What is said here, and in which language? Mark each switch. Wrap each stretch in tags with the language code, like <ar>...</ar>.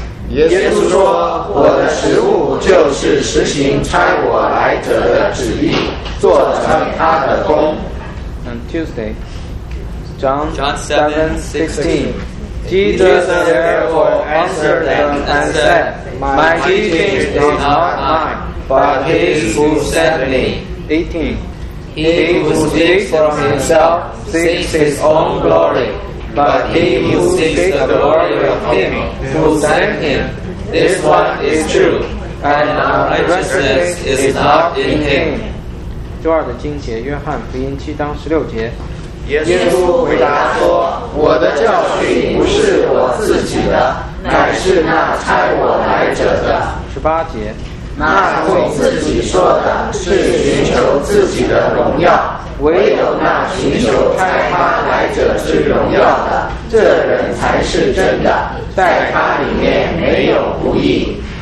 <zh>耶稣说：“我的食物就是实行差我来者的旨意，做成他的工。”</zh> <en>Tuesday. John 7:16. Jesus therefore answered them and said, My teaching is not mine, but his who sent me. 18. He who speaks from himself seeks his own glory, but he who seeks the glory of him who sent him, this one is true, and unrighteousness is not in him.</en> <zh>周二的经节，约翰福音7:16。耶稣回答说，我的教训不是我自己的，乃是那差我来者的。 18。那从自己说的是寻求自己的荣耀，唯有那寻求差他来者之荣耀的，这人才是真的，在他里面没有不义。</zh>